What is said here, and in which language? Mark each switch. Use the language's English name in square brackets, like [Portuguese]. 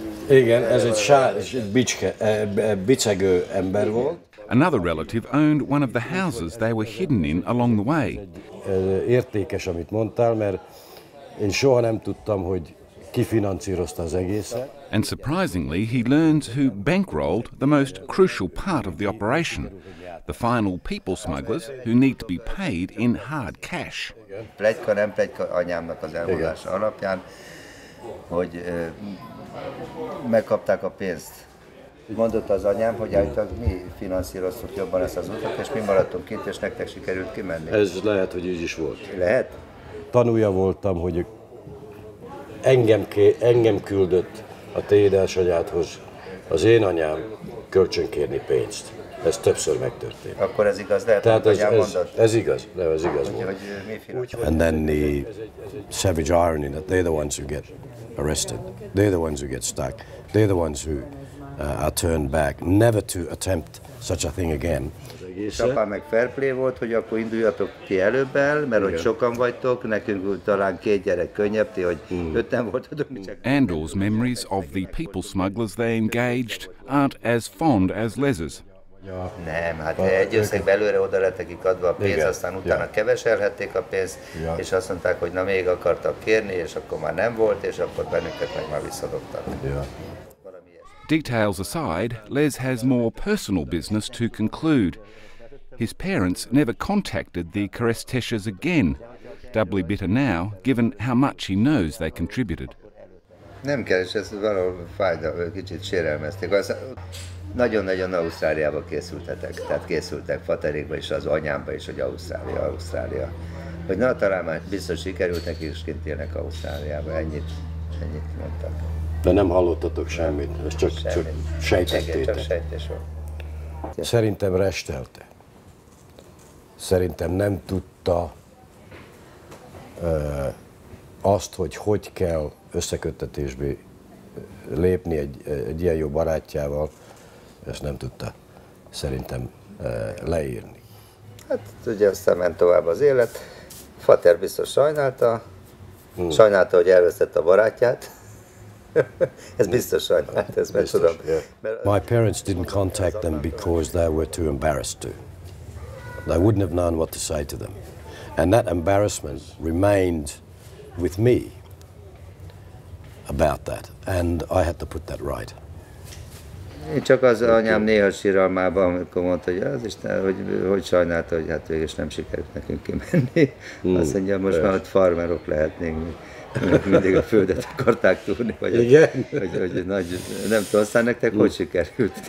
[Hungarian] Igen, ez egy sárs, bicegő ember volt. [English] Another relative owned one of the houses they were hidden in along the way. [Hungarian] Értékes, amit mondtál, mert én soha nem tudtam, hogy ki finanszírozta az egészet. [English] And surprisingly, he learns who bankrolled the most crucial part of the operation, the final people smugglers who need to be paid in hard cash. [Hungarian] Pletyka, nem pletyka, anyámnak az elmondása alapján, hogy megkapták a pénzt. Mondott az anyám, hogy általában mi finanszíroztuk jobban ezt az utat, és mi maradtunk kint, és nektek sikerült kimenni. Ez lehet, hogy így is volt. Lehet? Tanúja voltam, hogy engem küldött a te édesanyádhoz az én anyám kölcsönkérni pénzt. Ez többször megtörtént. Akkor ez igaz, lehet, tehát hogy anyám mondott? Ez igaz, nem, ez igaz volt. Hogy mi finanszíroztuk? [English] And then the savage irony that they're the ones who get arrested. They're the ones who get stuck. They're the ones who... I turned back, never to attempt such a thing again. [Hungarian] És apám meg fair play volt, hogy akkor induljatok ti előbb el, mert hogy sokan vagytok, nekünk talán két gyerek könnyebb, ti, hogy öten voltatok. [English] Andor's memories of the people smugglers they engaged aren't as fond as Les's. [Hungarian] Ja. Nem, hát egy összeg belőle oda lett nekik adva a pénz, igen. Aztán utána ja. Keveselhették a pénzt, ja. És azt mondták, hogy na még akartak kérni, és akkor már nem volt, és akkor bennünket meg már visszadobtak. Ja. [English] Details aside, Les has more personal business to conclude. His parents never contacted the Kereszteses again, doubly bitter now, given how much he knows they contributed. [Hungarian] Nem keres, ez valahol fájdalmas, kicsit sérelmezték. Nagyon-nagyon Ausztráliába készültetek, tehát készültek faterékba is, az anyámba is, hogy Ausztrália. Hogy na, talán már biztos sikerült nekik, és kint élnek Ausztráliába, ennyit mondtak. De nem hallottatok semmit, ez csak sejtettétek. Szerintem restelte. Szerintem nem tudta azt, hogy kell összeköttetésbe lépni egy ilyen jó barátjával, ezt nem tudta szerintem leírni. Hát ugye aztán ment tovább az élet. Fater biztos sajnálta, sajnálta, hogy elvesztette a barátját. Ez biztos, hát ez meg tudom. [English] Yeah. My parents didn't contact them because they were too embarrassed to. They wouldn't have known what to say to them. And that embarrassment remained with me. about that, and I had to put that right. [Hungarian] Én csak az anyám néha síralmában, amikor mondta, hogy az Isten, hogy sajnálta, hogy hát végül is nem sikerült nekünk kimenni. Azt mondja, most már ott farmerok lehetnénk, mert mindig a földet akarták túrni, vagy hogy nagy, nem tudom, aztán nektek hogy sikerült?